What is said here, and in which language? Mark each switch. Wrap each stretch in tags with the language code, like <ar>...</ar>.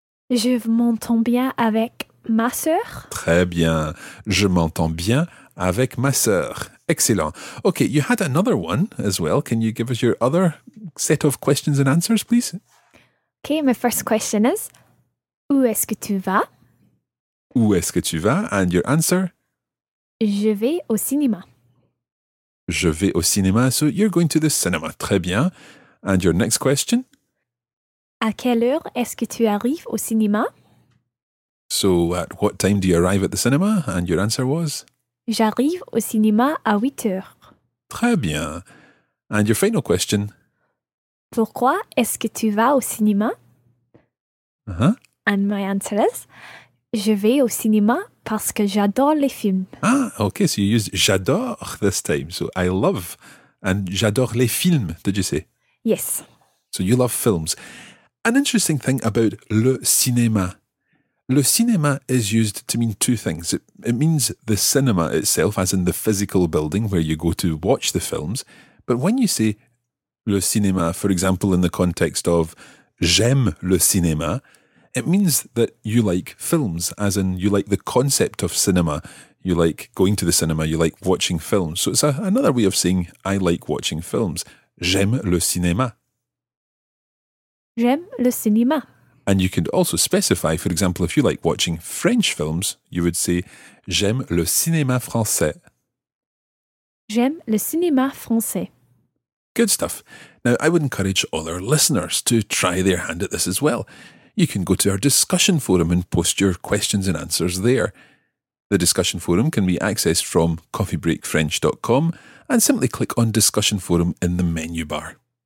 <fr>Je m'entends bien avec ma sœur. Très bien. Je m'entends bien avec ma sœur.</fr> <en>Excellent. OK, you had another one as well. Can you give us your other set of questions and answers, please? OK, my first question is,</en> <fr>où est-ce que tu vas? Où est-ce que tu vas?</fr> <en>And your answer?</en> <fr>Je vais au cinéma. Je vais au cinéma.</fr> <en>So you're going to the cinema.</en> <fr>Très bien.</fr> <en>And your next question?</en> <fr>À quelle heure est-ce que tu arrives au cinéma?</fr> <en>So at what time do you arrive at the cinema? And your answer was?</en> <fr>J'arrive au cinéma à 8 heures. Très bien.</fr> <en>And your final question?</en> <fr>Pourquoi est-ce que tu vas au cinéma?</fr> <en>And my answer is,</en> <fr>je vais au cinéma parce que j'adore les films.</fr> <en>Ah, okay, so you used j'adore this time. So I love and</en> <fr>j'adore les films,</fr> <en>did you say? Yes. So you love films. An interesting thing about le cinéma is used to mean two things. It means the cinema itself, as in the physical building where you go to watch the films. But when you say le cinéma, for example, in the context of</en> <fr>j'aime le cinéma,</fr> <en>it means that you like films, as in you like the concept of cinema. You like going to the cinema, you like watching films. So it's another way of saying I like watching films.</en> <fr>J'aime le cinéma. J'aime le cinéma.</fr> <en>And you can also specify, for example, if you like watching French films, you would say</en> <fr>j'aime le cinéma français. J'aime le cinéma français.</fr> <en>Good stuff. Now, I would encourage all our listeners to try their hand at this as well. You can go to our discussion forum and post your questions and answers there. The discussion forum can be accessed from coffeebreakfrench.com and simply click on discussion forum in the menu bar.</en>